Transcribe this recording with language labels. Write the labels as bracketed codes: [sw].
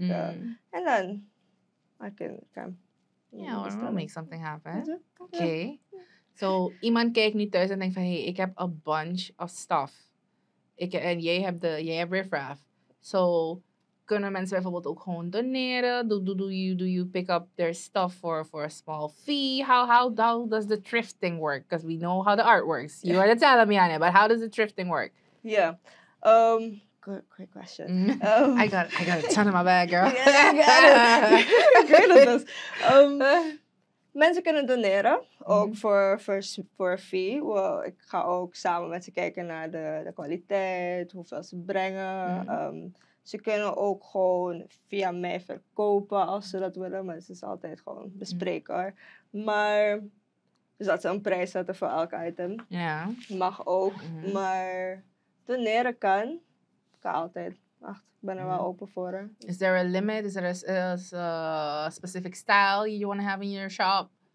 [nl] En dan. [en] We'll make something happen. Oké. Okay. [nl] So, iemand kijkt nu thuis en denkt van. Hey, ik heb [en] a bunch of stuff. [nl] En jij hebt riffraff. So, kunnen mensen bijvoorbeeld ook gewoon doneren? [en] Do you pick up their stuff for a small fee? How does the thrifting work? Because we know how the art works. You are the teller, Miane, but how does the thrifting work? Yeah. Great question. I got a ton in my bag, girl. Yeah, I got it. Great at this. [nl] Mensen kunnen doneren, ook voor een fee. Well, ik ga ook samen met ze kijken naar de kwaliteit, hoeveel ze brengen. Ze kunnen ook gewoon via mij verkopen als ze dat willen. Maar het is altijd gewoon bespreekbaar. Maar, dus dat ze een prijs zetten voor elk item. Ja. Mag ook. Mm-hmm. Maar doneren kan altijd. Wacht, ik ben er wel open voor. [en] Is there a limit? Is there a specific style you want to have in your shop?